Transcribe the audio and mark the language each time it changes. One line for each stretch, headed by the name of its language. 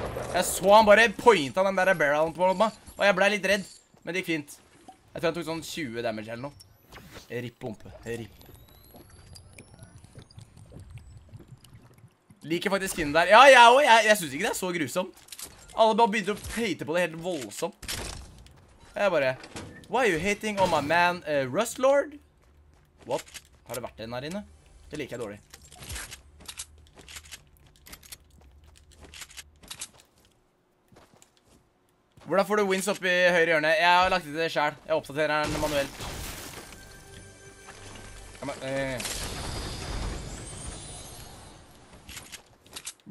Norwegian: Jeg så han bare pointa den der barrelen på meg, og jeg ble litt redd, men det gikk fint. Jeg tror han tok sånn 20 damage eller noe. Rip-pumpe, rip. Liker faktisk skinnet der. Ja, jeg også. Jeg synes ikke det er så grusomt. Alle bare begynte å hate på det helt voldsomt. Jeg bare...
English: Why are you hating on my man, Rustlord? What?
Norwegian: Har det vært den her inne? Det liker jeg dårlig. Hvordan får du wins opp i høyre hjørne? Jeg har lagt det til det selv. Jeg oppdaterer den manuelt.